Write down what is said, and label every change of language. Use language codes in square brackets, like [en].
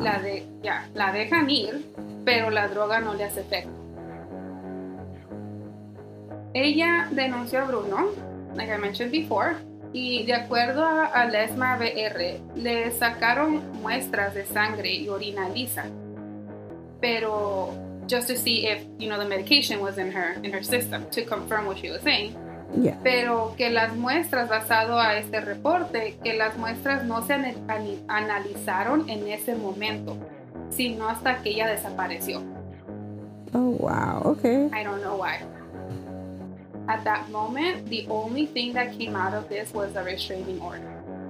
[es] La dejan ir, pero la droga no le hace efecto. Ella denunció a Bruno, [en] like I mentioned before, [es] y de acuerdo a la ESMA BR, le sacaron muestras de sangre y orina a Eliza. Pero... [en] just to see if, you know, the medication was in her system to confirm what she was saying. Yeah. [es] Pero que las muestras, basado a este reporte, que las muestras no se analizaron en ese momento, sino hasta que ella desapareció. [en] Oh, wow. Okay. I don't know why. At that moment, the only thing that came out of this was a restraining order.